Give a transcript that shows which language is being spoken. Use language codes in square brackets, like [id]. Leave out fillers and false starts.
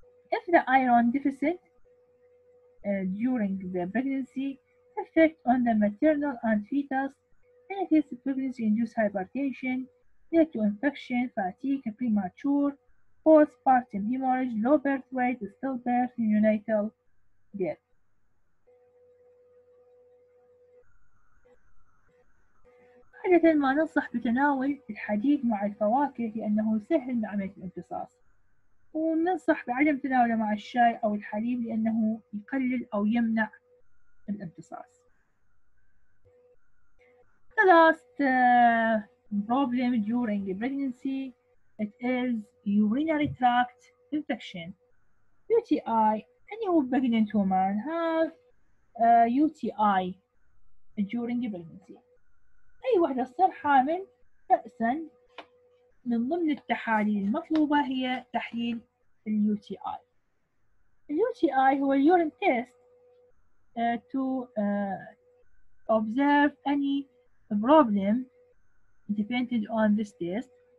[en] If the iron deficit during the pregnancy affect on the maternal and fetus, it is pregnancy-induced hypertension, lead to infection, fatigue, premature, postpartum hemorrhage, low birth weight, stillbirth, neonatal death. [ar] عادة ما ننصح بتناول الحديد مع الفواكه لأنه سهل لعملية الامتصاص، وننصح بعدم تناوله مع الشاي أو الحليب لأنه يقلل أو يمنع الامتصاص. [en] The last problem during pregnancy it is urinary tract infection, UTI. Any pregnant woman have UTI during pregnancy. [ar] أي واحدة صار حامل فأساً من ضمن التحاليل المطلوبة هي تحليل الـ UTI. الـ UTI هو الـ [en] urine test to observe any problem depended on this test.